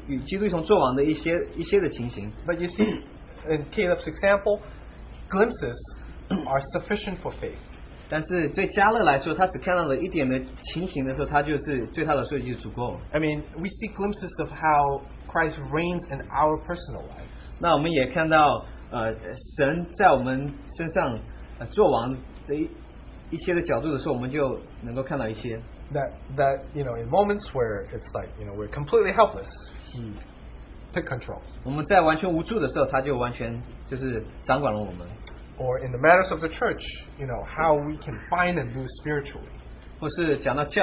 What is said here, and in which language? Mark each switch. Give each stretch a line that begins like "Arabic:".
Chinese: 那我们也大概，我们的情形也是如何，我们大概能够看到这个与基督一同作王的一些的情形。
English: But you see, in Caleb's example, glimpses are sufficient for faith.
Chinese: 但是对加勒来说，他只看到了一点的情形的时候，他就是对他来说已经足够了。
English: I mean, we see glimpses of how Christ reigns in our personal life.
Chinese: 那我们也看到，神在我们身上作王的一些的角度的时候，我们就能够看到一些。
English: That you know, in moments where it's like, you know, we're completely helpless, He took control.
Chinese: 我们在完全无助的时候，他就完全就是掌管了我们。
English: Or in the matters of the church, you know, how we can find and lose spiritually.